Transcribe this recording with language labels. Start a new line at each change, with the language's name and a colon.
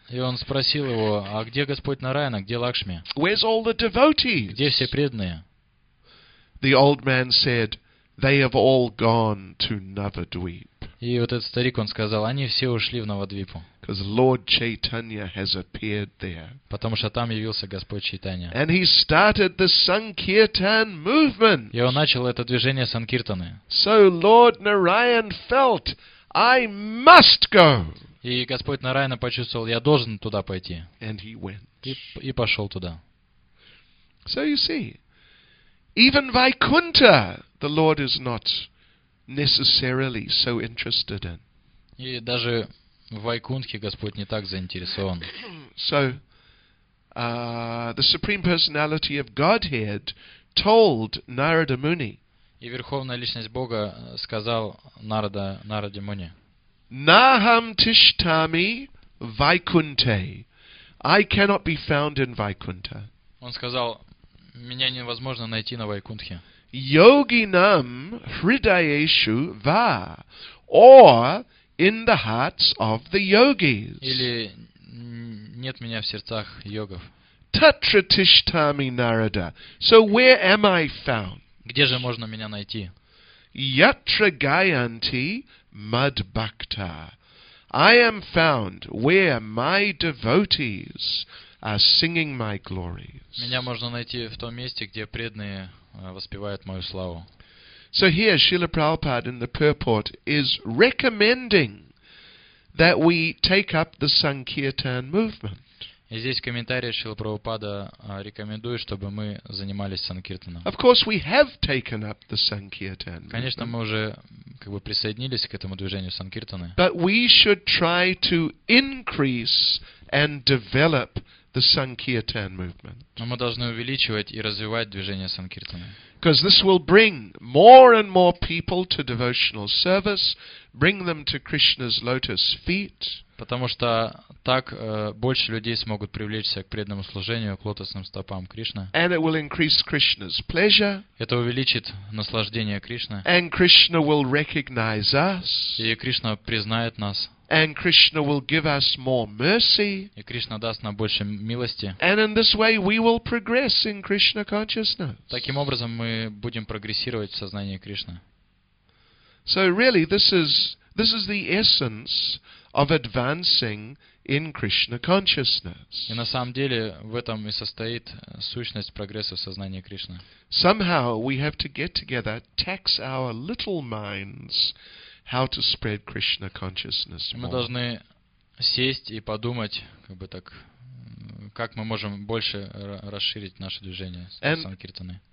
Russian: И он спросил его, а где Господь Нараян, а где Лакшми?
English: Where's all the devotees?
Russian: Где все преданные?
English: The old man said, "They have all gone to Navadvip."
Russian: И вот этот старик он сказал, они все ушли в Навадвипу.
English: Because Lord Chaitanya has appeared there.
Russian: Потому что там явился Господь Чайтанья.
English: And he started the Sankirtan movement.
Russian: И он начал это движение Санкиртаны.
English: So Lord Narayan felt, I must go.
Russian: И Господь Нараяна почувствовал, я должен туда пойти.
English: And he went.
Russian: И пошел туда.
English: So you see, even Vaikuntha, the Lord is not necessarily so interested in.
Russian: И даже в Вайкунтхе Господь не так заинтересован.
English: So, the Supreme Personality of Godhead told Narada Muni.
Russian: И верховная личность Бога сказал Нараде Муни.
Sanskrit: Naham tishtami Vaikunte.
English: I cannot be found in Vaikuntha.
Russian: Он сказал, меня невозможно найти на Вайкунтхе.
Sanskrit: Yoginam hridayeshu va,
English: or in the hearts of the yogis.
Russian: Или нет меня в сердцах йогов.
Sanskrit: Tatra tishtami Narada.
English: So where am I found?
Russian: Где же можно меня найти?
Sanskrit: Yatra gayanti madbhakta.
English: I am found where my devotees are singing my glories.
Russian: Меня можно найти в том месте, где преданные воспевают мою славу.
English: So here Srila Prabhupada in the purport is recommending that we take up the Sankirtan movement.
Russian: И здесь в комментариях Шрила Прабхупада рекомендует, чтобы мы занимались санкиртаном.
English: Of course we have taken up the Sankirtan movement.
Russian: Конечно, мы уже как бы присоединились к этому движению санкиртаны.
English: But we should try to increase and develop the Sankirtan movement.
Russian: Но мы должны увеличивать и развивать движение санкиртаны.
English: Because this will bring more and more people to devotional service, bring them to Krishna's lotus feet.
Russian: Потому что так больше людей смогут привлечься к преданному служению, к лотосным стопам Кришны.
English: And it will increase Krishna's pleasure.
Russian: Это увеличит наслаждение Кришны.
English: And Krishna will recognize us.
Russian: И Кришна признает нас.
English: And Krishna will give us more mercy.
Russian: И Кришна даст нам больше милости.
English: And in this way we will progress in Krishna consciousness.
Russian: Таким образом мы будем прогрессировать в сознании Кришны.
English: So really this is the essence of advancing in Krishna consciousness.
Russian: И на самом деле в этом и состоит сущность прогресса в сознании Кришны.
English: Somehow we have to get together, tax our little minds. How to spread Krishna consciousness more.
Russian: Мы должны сесть и подумать, как бы так, как мы можем больше расширить наше движение санкиртаны.